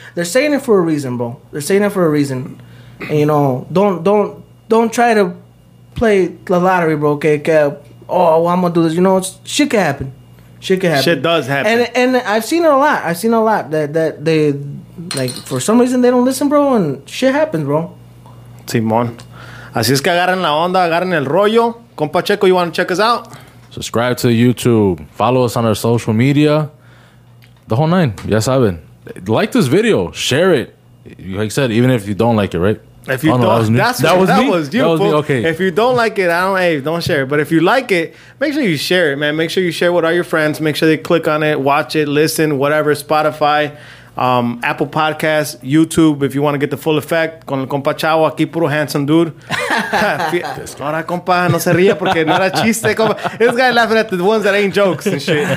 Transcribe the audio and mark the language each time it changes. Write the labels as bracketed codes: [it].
[en] They're saying it for a reason, bro. They're saying it for a reason. And, you know, don't try to play the lottery, bro. Okay, I'm going to do this. You know, shit can happen. Shit can happen. Shit does happen. And I've seen it a lot. I've seen a lot that they, like, for some reason they don't listen, bro, and shit happens, bro. [es] Simón. Así es que agarren la onda, agarren el rollo. [en] Compa Checo, you want to check us out? Subscribe to the YouTube. Follow us on our social media. The whole nine. Ya saben. Like this video. Share it. Like I said, even if you don't like it, right? If you don't, that was me. Okay. If you don't like it, don't share it. But if you like it, make sure you share it, man. Make sure you share it with all your friends. Make sure they click on it, watch it, listen, whatever. Spotify, Apple Podcasts, YouTube. If you want to get the full effect, con el compa Chavo aquí, puro handsome dude. [es] Ahora, compa, no se ría porque no era chiste. Compa. [en] This guy laughing at the ones that ain't jokes and shit.